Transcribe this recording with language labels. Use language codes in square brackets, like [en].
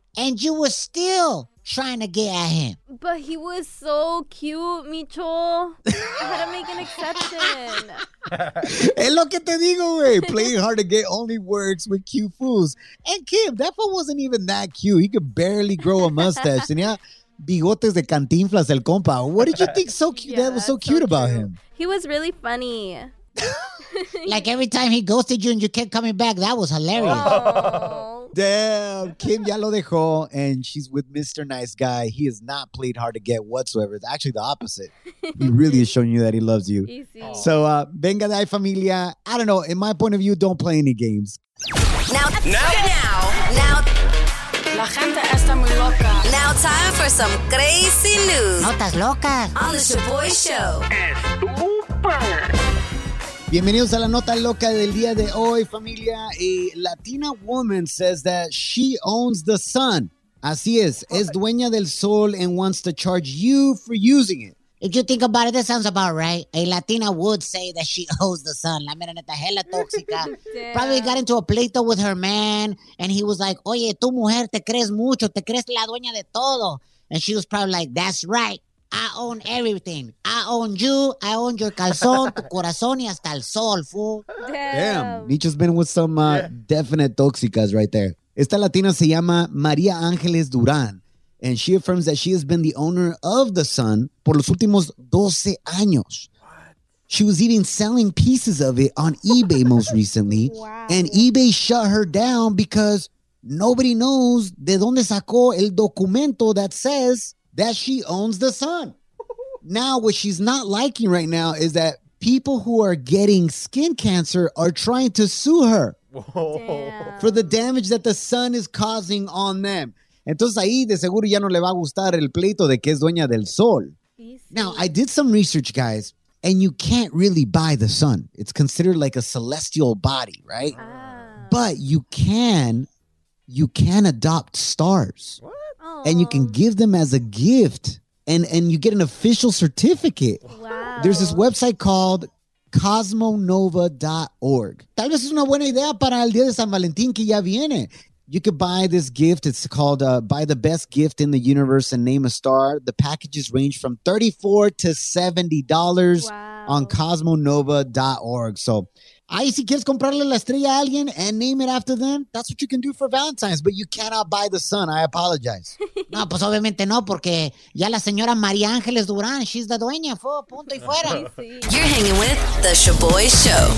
[en] And you were still trying to get at him. But he was so cute, Micho. I had to make an exception. [es] Es lo que te digo, güey. [en] Playing hard to get only works with cute fools. And Kim, that fool wasn't even that cute. He could barely grow a mustache. [es] Tenía bigotes de cantinflas el compa. [en] What did you think so cute? Yeah, that was so cute about him? He was really funny. Like every time he ghosted you and you kept coming back, that was hilarious. Oh. Damn, Kim [es] ya lo dejó, [en] and she's with Mr. Nice Guy. He has not played hard to get whatsoever. It's actually the opposite. He really is showing you that he loves you. Easy. Oh. So, [es] venga de ahí, [en] familia. I don't know. In my point of view, don't play any games. Now. [es] La gente está muy loca. [en] Now time for some crazy news. [es] Notas locas. [en] On the Shaboy Show. [es] Bienvenidos a la nota loca del día de hoy, familia. [en] A Latina woman says that she owns the sun. [es] Así es. [en] Okay. [es] Es dueña del sol [en] and wants to charge you for using it. If you think about it, that sounds about right. A Latina would say that she owns the sun. La mera neta, hella tóxica. Probably got into a pleito with her man, and he was like, oye, tu mujer te crees mucho, te crees la dueña de todo. And she was probably like, that's right. I own everything. I own you. I own your calzón, [es] tu corazón, y hasta el sol, [en] fool. Damn. Nicho's been with some definite toxicas right there. [es] Esta Latina se llama [en] María Ángeles Durán, and she affirms that she has been the owner of the sun [es] por los últimos 12 años. [en] She was even selling pieces of it on eBay most recently, and eBay shut her down because nobody knows [es] de dónde sacó el documento [en] that says that she owns the sun. Now, what she's not liking right now is that people who are getting skin cancer are trying to sue her for the damage that the sun is causing on them. [es] Entonces, ahí de seguro ya no le va a gustar el pleito de que es dueña del sol. [en] Now, I did some research, guys, and you can't really buy the sun. It's considered like a celestial body, right? Ah. But you can adopt stars. What? And you can give them as a gift, and you get an official certificate. Wow. There's this website called cosmonova.org. [es] Tal vez es una buena idea para el día de San Valentín que ya viene. [en] You could buy this gift. It's called Buy the Best Gift in the Universe and Name a Star. The packages range from $34 to $70 on cosmonova.org. So, [es] ahí si quieres comprarle la estrella a alguien [en] and name it after them, that's what you can do for Valentine's. But you cannot buy the sun. I apologize. [es] No, pues obviamente no, porque ya la señora María Ángeles Durán, [en] she's the [es] dueña, fue punto y fuera. [en] You're hanging with The Sha'Boy Show.